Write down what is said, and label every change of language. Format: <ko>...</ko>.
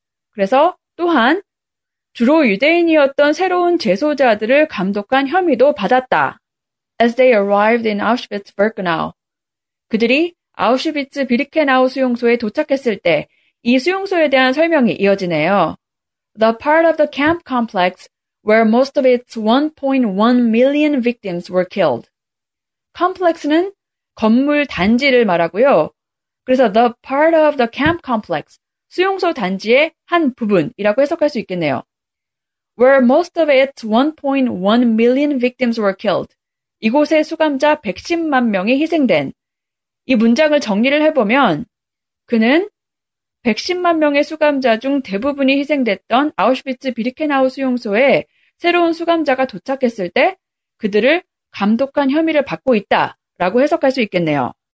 <ko>그래서 또한 주로 유대인이었던 새로운 재소자들을 감독한 혐의도 받았다.</ko> <en>As they arrived in Auschwitz-Birkenau.</en> <ko>그들이 아우슈비츠 비르켄아우 수용소에 도착했을 때 이 수용소에 대한 설명이 이어지네요.</ko> <en>The part of the camp complex where most of its 1.1 million victims were killed.</en> <ko>Complex는 건물 단지를 말하고요. 그래서</ko> <en>the part of the camp complex,</en> <ko>수용소 단지의 한 부분이라고 해석할 수 있겠네요.</ko> <en>Where most of its 1.1 million victims were killed.</en> <ko>이곳의 수감자 110만 명이 희생된. 이 문장을 정리를 해보면 그는 110만 명의 수감자 중 대부분이 희생됐던 아우슈비츠 비르켄아우 수용소에 새로운 수감자가 도착했을 때 그들을 감독한 혐의를 받고 있다 라고 해석할 수 있겠네요.</ko>